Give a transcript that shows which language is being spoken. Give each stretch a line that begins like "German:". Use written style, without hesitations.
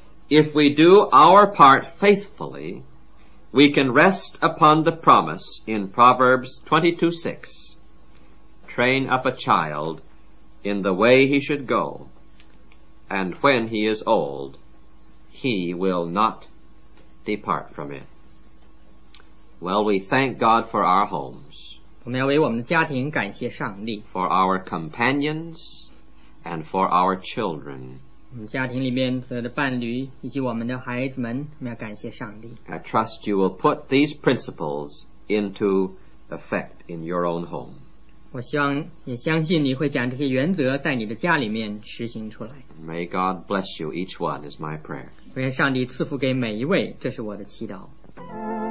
English: If we do our part faithfully, we can rest upon the promise in Proverbs 22:6. Train up a child in the way he should go, and when he is old, he will not depart from it. Well, we thank God for our homes.
Chinese: 我们要为我们的家庭感谢上帝。
English: For our companions and for our children.
Chinese: 我们家庭里面所有的伴侣以及我们的孩子们，我们要感谢上帝。
English: I trust you will put these principles into effect in your own home.
Chinese: 我相信你会将这些原则在你的家里面实行出来。
English: May God bless you each one is my prayer.
Chinese: 愿上帝赐福给每一位，这是我的祈祷。